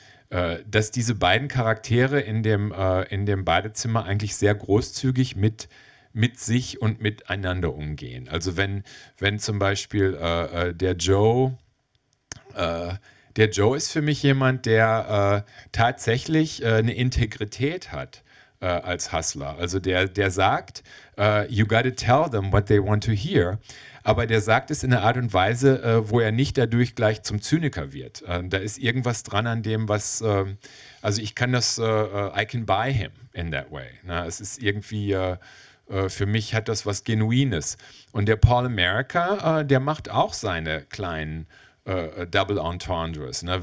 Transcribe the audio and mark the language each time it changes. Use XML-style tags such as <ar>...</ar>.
<de>Dass diese beiden Charaktere in dem Badezimmer eigentlich sehr großzügig mit sich und miteinander umgehen. Also wenn zum Beispiel der Joe ist für mich jemand, der tatsächlich eine Integrität hat. als Hustler. Also der sagt,</de> <en>you gotta tell them what they want to hear.</en> <de>Aber der sagt es in einer Art und Weise, wo er nicht dadurch gleich zum Zyniker wird. Da ist irgendwas dran an dem, was, also ich kann das,</de> <en>I can buy him in that way.</en> <de>Na, es ist irgendwie, für mich hat das was Genuines. Und der Paul America, der macht auch seine kleinen Double Entendres. Ne?</de>